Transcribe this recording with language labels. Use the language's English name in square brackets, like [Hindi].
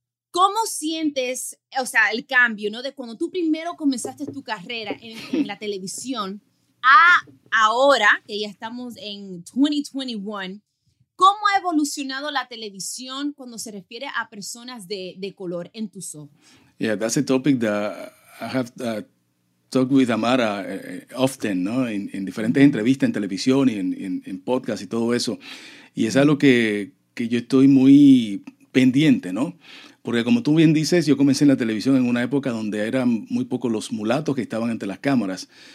[Spanish] ¿Cómo sientes, o sea, el cambio, ¿no? De cuando tú primero comenzaste tu carrera en la televisión a ahora, que ya estamos en 2021, ¿cómo ha evolucionado la televisión cuando se refiere a personas de color en tus ojos? [English] Yeah, that's a topic that I have talked with Amara often, ¿no? [Spanish] En diferentes entrevistas en televisión y en podcast y todo eso. Y es algo que yo estoy muy pendiente, ¿no? Porque como tú bien dices, yo comencé en la televisión en una época donde eran muy pocos los mulatos que estaban ante las cámaras.